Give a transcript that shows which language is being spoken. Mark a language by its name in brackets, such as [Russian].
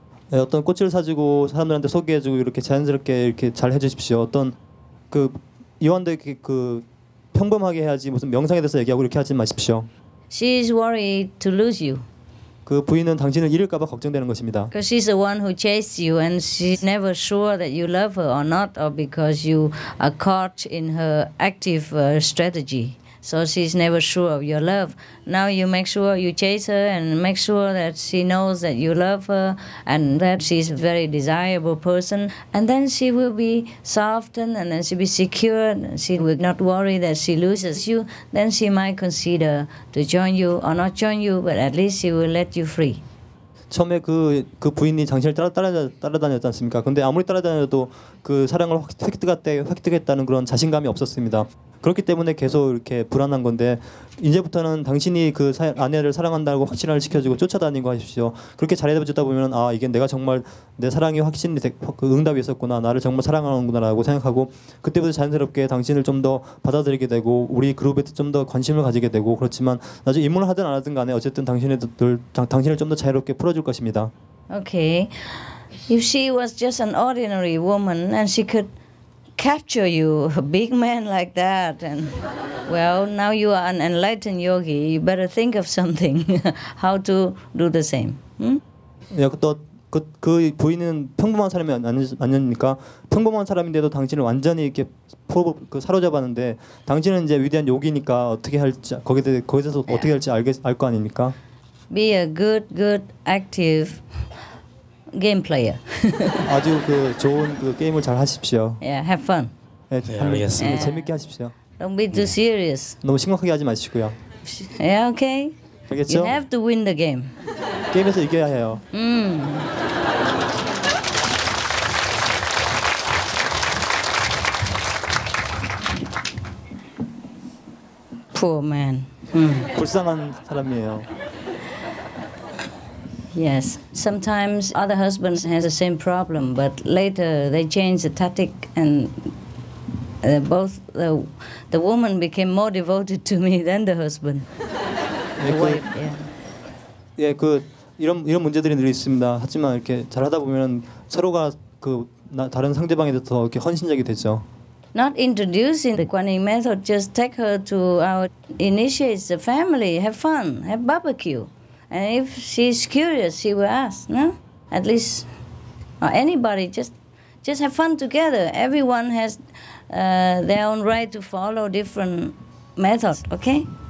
[Korean] 네, 어떤 꽃을 사주고 사람들한테 소개해주고 이렇게 자연스럽게 이렇게 잘 해주십시오. 어떤 그 요한도 이렇게 그 평범하게 해야지 무슨 명상에 대해서 얘기하고 이렇게 하지 마십시오. [English] She's worried to lose you. [Korean] 그 부인은 당신을 잃을까봐 걱정되는 것입니다. [English] Because she's the one who chased you, and she's never sure that you love her or not, or because you are caught in her active strategy. So she's never sure of your love. Now you make sure you chase her and make sure that she knows that you love her and that she's a very desirable person. And then she will be softened and then she'll be secured. She will not worry that she loses you. Then she might consider to join you or not join you, but at least she will let you free. [Korean] 처음에 그 부인이 당신을 따라다녔지 않습니까? 근데 아무리 따라다녀도 그 사랑을 획득했다는 그런 자신감이 없었습니다. 그렇기 때문에 계속 이렇게 불안한 건데 이제부터는 당신이 그 아내를 사랑한다고 확신을 시켜주고 쫓아다니고 하십시오. 그렇게 잘해주다 보면 아 이게 내가 정말 내 사랑이 확신이 응답이 있었구나 나를 정말 사랑하는구나라고 생각하고 그때부터 자연스럽게 당신을 좀 더 받아들이게 되고 우리 그룹에 좀 더 관심을 가지게 되고 그렇지만 나중에 입문을 하든 안 하든 간에 어쨌든 당신을 좀 더 자유롭게 풀어줄 것입니다. [English] Okay, if she was just an ordinary woman and she could capture you, a big man like that, and well, now you are an enlightened yogi. You better think of something, how to do the same. [Korean] 예, 그 부인은 평범한 사람이 아니니까 평범한 사람인데도 당신을 완전히 이렇게 사로잡았는데 당신은 이제 위대한 요기니까 어떻게 할지 거기서 어떻게 할지 알거 아닙니까? [English] Be a good, active game player. [Korean] 아주 그 좋은 그 게임을 잘 하십시오. [English] Yeah, have fun. [Korean] 네, 알겠습니다. 네, 재밌게 하십시오. [English] Don't be too serious. [Korean] 너무 심각하게 하지 마시고요. [English] Yeah, okay. [Korean] 알겠죠? [English] You have to win the game. [Korean] 게임에서 이겨야 해요. [English] Poor man. [Korean] 불쌍한 사람이에요. [English] Yes. Sometimes other husbands have the same problem, but later they change the tactic and both the woman became more devoted to me than the husband. The wife, yeah. [Korean] 예, 그 이런 문제들이 늘 있습니다. 하지만 이렇게 잘하다 보면 서로가 그 다른 상대방에 대해서 이렇게 헌신적이 되죠. [English] Not introducing the Kuan Yin method, just take her to our initiates, the family, have fun, have barbecue. And if she's curious, she will ask, no? At least, or anybody, just have fun together. Everyone has their own right to follow different methods, okay?